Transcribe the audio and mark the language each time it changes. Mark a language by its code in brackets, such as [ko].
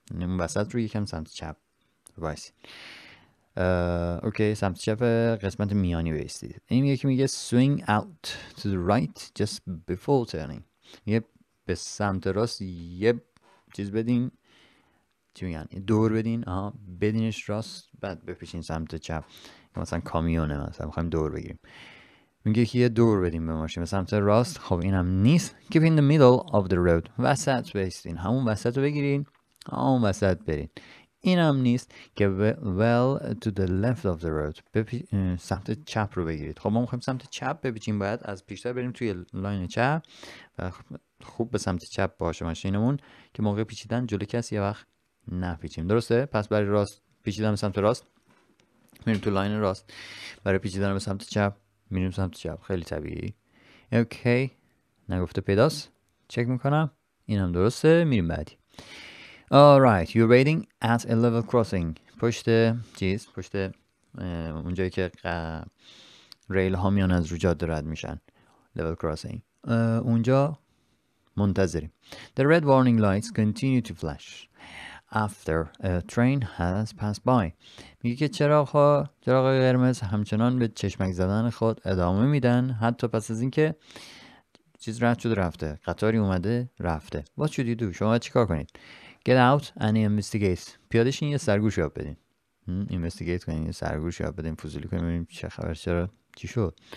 [fa] اون وسط رو یکم سمت چپ وایسین. اوکی، سمت چپ قسمت میانی وایسید. این یکی میگه [en] swing out to the right just before turning. [fa] یه به سمت راست یه چیز بدین. چی میگن؟ دور بدین. آها، بدینش راست بعد بپیچین سمت چپ. مثلا کامیونه مثلا می‌خوایم دور بگیریم. میگه که یه دور بدیم به ماشین به سمت راست. خب اینم نیست. [en] Keep in the middle of the road. [fa] وسط بایستین. همون وسط رو بگیرین. همون وسط برین. اینم نیست که [en] well to the left of the road. [fa] سمت چپ رو بگیرید. خب ما میخواییم سمت چپ بپیچیم. باید از پیشتر بریم توی لاین چپ. و خوب به سمت چپ باشه ماشینمون. که موقع پیچیدن جلو کسی یه وقت نپیچیم. درسته؟ پس برای راست پیچیدن به سمت راست. میریم توی لاین راست. برای پیچیدن به سمت چپ. میریم سمت چپ، خیلی طبیعی. اوکی، نگفته پیداست. چک میکنم، اینم درسته. میریم بعدی. [en] Alright, you're waiting at a level crossing. [fa] پشت چیز، پشت اونجایی که ریل ها میان از رو جاده رد میشن. [en] Level crossing. [fa] اونجا منتظریم. [en] The red warning lights continue to flash after a train has passed by. [fa] میگه که چراغ قرمز همچنان به چشمک زدن خود ادامه میدن حتی پس از اینکه چیز رد شده رفته، قطاری اومده رفته. [en] What should you do? [fa] شما چی کار کنید؟ [en] Get out and investigate. [fa] پیادشین یه سرگوش یاب بدین. Investigate کنین، یه سرگوش یاب بدین، فضولی کنین ببینیم چه خبر، چرا، چی شد.